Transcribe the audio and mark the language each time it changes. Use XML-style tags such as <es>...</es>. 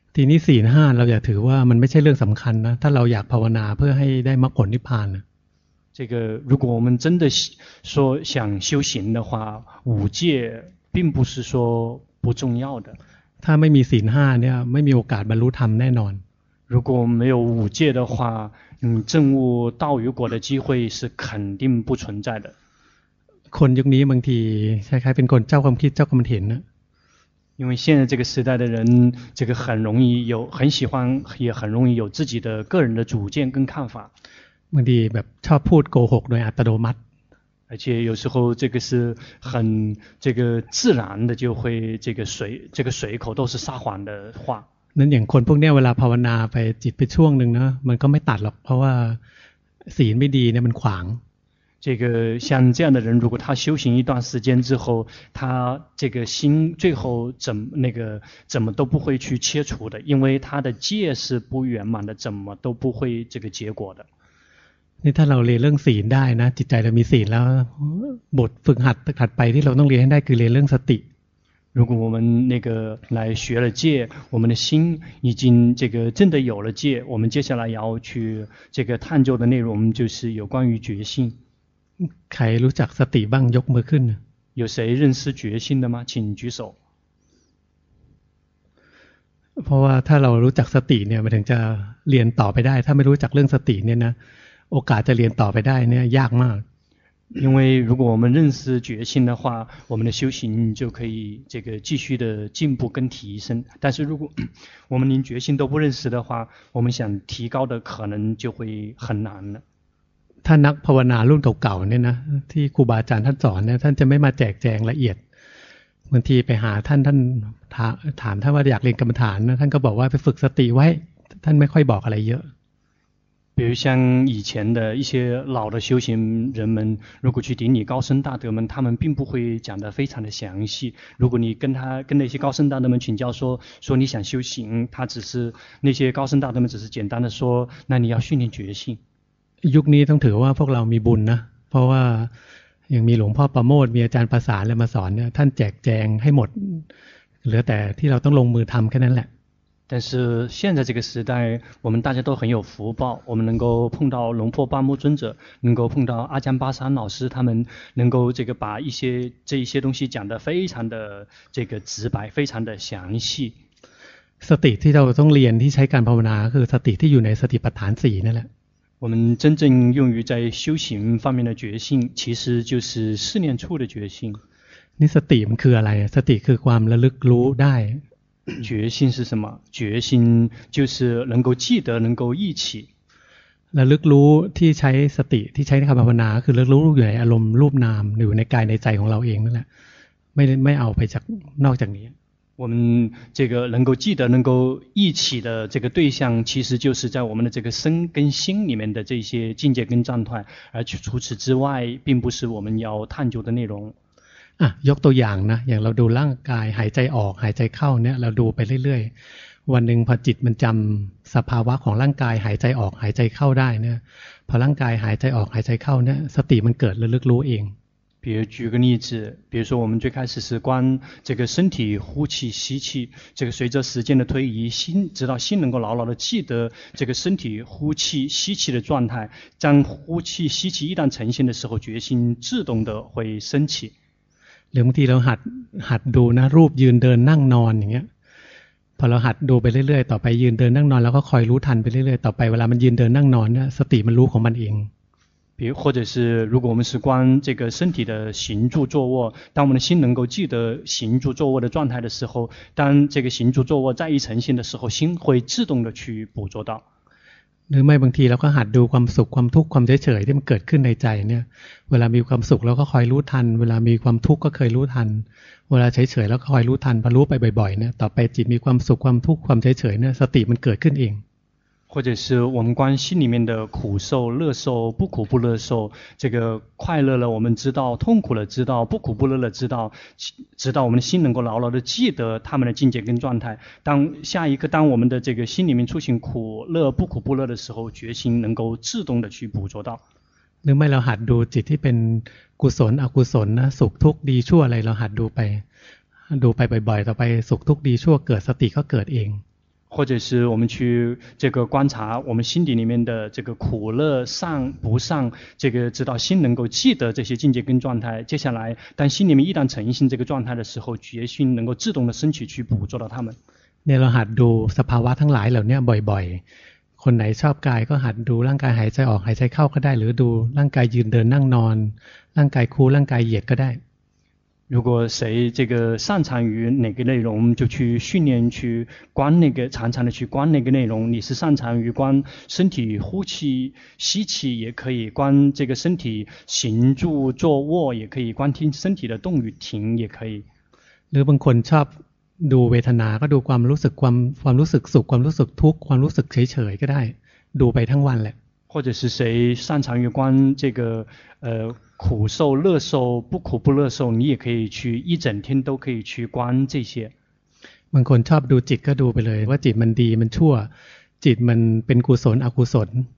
<th>ทีนี้ศีลห้าเราอย่าถือว่ามันไม่ใช่เรื่องสำคัญนะถ้าเราอยากภาวนาเพื่อให้ได้มรรคผลนิพพานนะ</th> <zh>这个如果我们真的说想修行的话，五戒并不是说不重要的。</zh> <th>ถ้าไม่มีศีลห้าเนี่ยไม่มีโอกาสบรรลุธรรมแน่นอน。</th> <zh>如果没有五戒的话，证悟道与果的机会是肯定不存在的。</zh> <th>คนยุคนี้บางทีใครๆเป็นคนเจ้าความคิดเจ้าความเห็นนะ</th> <zh>因为现在这个时代的人这个很容易有很喜欢也很容易有自己的个人的主见跟看法</zh> <th>บางทีแบบชอบพูดโกหกโดยอัตโนมัติ</th> <zh>而且有时候这个是很这个自然的就会这个随这个随口都是撒谎的话</zh> <th>นั้นอย่างคนพวกนี้เวลาภาวนาไปจิตไปช่วงหนึ่งนะมันก็ไม่ตัดหรอกเพราะว่าศีลไม่ดีเนี่ยมันขวาง</th> <zh>这个像这样的人，如果他修行一段时间之后，他这个心最后怎么都不会去切除的，因为他的戒是不圆满的，怎么都不会这个结果的。那他老练扔心</zh> <th>ได้นะจิตใจเรามีศีลแล้วบทฝึกหัดถัดไปที่เราต้องเรียนให้ได้คือเรียนเรื่องสติ</th> <zh>如果我们那个来学了戒，我们的心已经这个真的有了戒，我们接下来要去这个探究的内容就是有关于觉性。</zh> <th>ใครรู้จักสติบ้างยกมือขึ้น</th> <zh>有谁认识觉性的吗请举手</zh> <th>เพราะว่าถ้าเรารู้จักสติเนี่ยมันถึงจะเรียนต่อไปได้ถ้าไม่รู้จักเรื่องสติเนี่ยนะโอกาสจะเรียนต่อไปได้เนี่ยยากมาก</th> <zh>因为如果我们认识觉性的话我们的修行就可以这个继续的进步跟提升但是如果我们连觉性都不认识的话我们想提高的可能就会很难了</zh> <th>ถ้านักภาวนารุ่นเก่าๆเนี่ยนะที่ครูบาอาจารย์ท่านสอนเนี่ยท่านจะไม่มาแจกแจงละเอียดบางทีไปหาท่านท่านถามท่านว่าอยากเรียนกรรมฐานนะท่านก็บอกว่าไปฝึกสติไว้ท่านไม่ค่อยบอกอะไรเยอะ</th> <zh>比如像以前的一些老的修行人们如果去顶礼高僧大德们他们并不会讲得非常的详细如果你跟那些高僧大德们请教说你想修行他只是那些高僧大德们只是简单的说那你要训练觉性</zh> <th>ยุคนี้ต้องถือว่าพวกเรามีบุญนะเพราะว่ายังมีหลวงพ่อประโมทมีอาจารย์ประสานเลยมาสอนเนี่ยท่านแจกแจงให้หมดเหลือแต่ที่เราต้องลงมือทำแค่นั้นแหละ</th> <zh>但是现在这个时代我们大家都很有福报我们能够碰到龙破八木尊者能够碰到阿江巴山老师他们能够这个把这一些东西讲得非常的这个直白非常的详细</zh> <th>สติที่เราต้องเรียนที่ใช้การภาวนาคือสติที่อยู่ในสติปัฏฐานสี่นั่นแหละ</th> <zh>我们真正用于在修行方面的觉性其实就是四念处的觉性</zh> <th>นี่สติมันคืออะไรสติคือความระลึกรู้ได้</th> <zh>觉性是什么觉性就是能够记得能够忆起</zh> <th>ระลึกรู้ที่ใช้สติที่ใช้ในคำภาวนาคือระลึกรู้อยู่ในอารมณ์รูปนามอยู่ในกายในใจของเราเองนั่นแหละไม่เอาไปจากนอกจากนี้</th> <zh>我们这个能够记得能够忆起的这个对象其实就是在我们的这个身跟心里面的这些境界跟状态而除此之外并不是我们要探究的内容</zh> <th>啊ยกตัวอย่างนะอย่างเราดูร่างกายหายใจออกหายใจเข้าเนี่ยเราดูไปเรื่อยๆวันหนึ่งพอจิตมันจำสภาวะของร่างกายหายใจออกหายใจเข้าได้เนี่ยพอร่างกายหายใจออกหายใจเข้าเนี่ยสติมันเกิดระลึกรู้เอง</th> <zh>比如举个例子比如说我们最开始是观这个身体呼气吸气这个随着时间的推移心直到心能够牢牢地记得这个身体呼气吸气的状态将呼气吸气一旦呈现的时候决心自动地会升起</zh> <th>หรือบางทีเราหัดดูนะรูปยืนเดินนั่งนอนอย่างเงี้ยพอเราหัดดูไปเรื่อยๆต่อไปยืนเดินนั่งนอนแล้วก็คอยรู้ทันไปเรื่อยๆต่อไปเวลามันยืนเดินนั่งนอนเนี่ยสติมันรู้ของมันเอง</th> <zh>或者是如果我们是观这个身体的行住坐卧当我们的心能够记得行住坐卧的状态的时候当这个行住坐卧再一呈现的时候心会自动的去捕捉到</zh> <th>หรือไม่บางทีเราก็หัดดูความสุขความทุกข์ความเฉยๆที่มันเกิดขึ้นในใจเนี่ยเวลามีความสุขเราก็คอยรู้ทันเวลามีความทุกข์ก็เคยรู้ทันเวลาเฉยๆเราก็คอยรู้ทันพอรู้ไปบ่อยๆเนี่ยต่อไปจิตมีความสุขความทุกข์ความเฉยๆเนี่ยสติมันเกิดขึ้นเอง</th> <zh>或者是我们观心里面的苦受乐受不苦不乐受这个快乐了我们知道痛苦了知道不苦不乐了知道直到我们的心能够牢牢地记得他们的境界跟状态当下一刻当我们的这个心里面出现苦乐不苦不乐的时候决心能够自动地去捕捉到</zh> <th>หรือไม่เราหัดดูจิตที่เป็นกุศลอกุศลนะสุขทุกข์ดีชั่วอะไรเราหัดดูไปบ่อยๆต่อไปสุขทุกข์ดีชั่วเกิดสติก็เกิดเอง</th> <zh>或者是我们去这个观察我们心底里面的这个苦乐善不善这个直到心能够记得这些境界跟状态接下来当心里面一旦呈现这个状态的时候决心能够自动的升起去捕捉到他们</zh> <th>เราหัดดูสภาวะทั้งหลายเหล่านี้บ่อยๆค คนไหนชอบกายก็หัดดูร่างกายหายใจออกหายใจเข้าก็ได้หรือดูร่างกายยืนเดินนั่งนอนร่างกายคูร่างกายเหยียดก็ได้</th> <zh>如果谁这个擅长于哪个内容，就去训练去观那个，常常的去观那个内容。你是擅长于观身体呼气、吸气，也可以观这个身体行住坐卧，也可以观听身体的动与停，也可以。</zh> <th>หรือบางคนชอบดูเวทนาก็ดูความรู้สึกความรู้สึกสุขความรู้สึกทุกข์ความรู้สึกเฉยๆก็ได้ดูไปทั้งวันแหละ</th> <zh>或者是谁擅长于观这个苦受乐受不苦不乐受你也可以去一整天都可以去观这些</zh> <th>บางคนชอบดูจิตก็ดูไปเลยว่าจิตมันดีมันชั่วจิตมันเป็นกุศลอกุศล</th>